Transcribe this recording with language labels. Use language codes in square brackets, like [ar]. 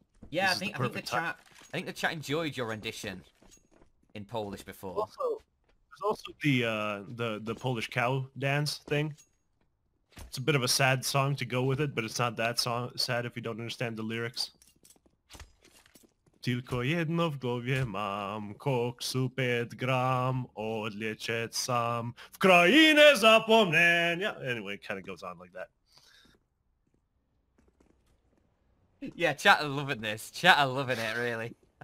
[en] Yeah, I think the chat enjoyed your rendition in Polish before. There's also the Polish cow dance thing. It's a bit of a sad song to go with it, but it's not that sad if you don't understand the lyrics. [pl] Tylko jedno w głowie mam, koksu 5 gram, odlecieć sam, w krainę zapomnienia. [en] Anyway, it kind of goes on like that. Yeah, chat are loving this. Chat are loving it, really.